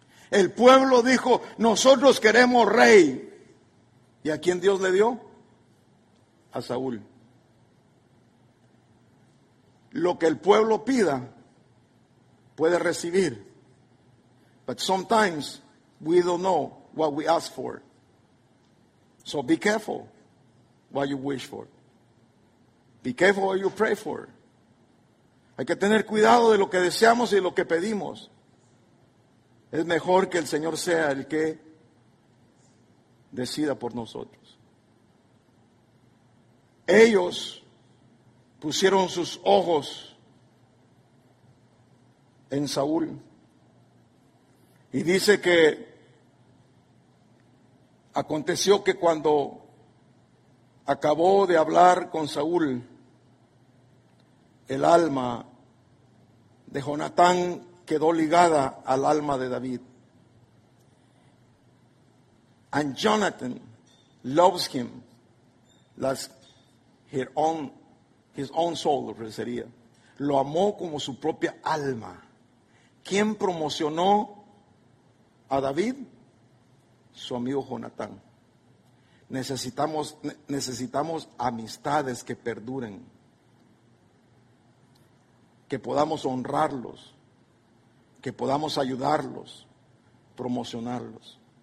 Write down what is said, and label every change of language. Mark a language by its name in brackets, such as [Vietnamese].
[Spanish] El pueblo dijo, nosotros queremos rey. ¿Y a quién Dios le dio? A Saúl. Lo que el pueblo pida, puede recibir. [English] But sometimes we don't know what we ask for. So be careful what you wish for. Be careful what you pray for. [Spanish] Hay que tener cuidado de lo que deseamos y lo que pedimos. Es mejor que el Señor sea el que decida por nosotros. Ellos pusieron sus ojos en Saúl. Y dice que Aconteció que cuando acabó de hablar con Saúl, el alma de Jonatán quedó ligada al alma de David. [English] And Jonathan loves him as his own soul, ofrecería. [Spanish] Lo amó como su propia alma. ¿Quién promocionó a David? Su amigo Jonatán. Necesitamos amistades que perduren, que podamos honrarlos, que podamos ayudarlos, promocionarlos.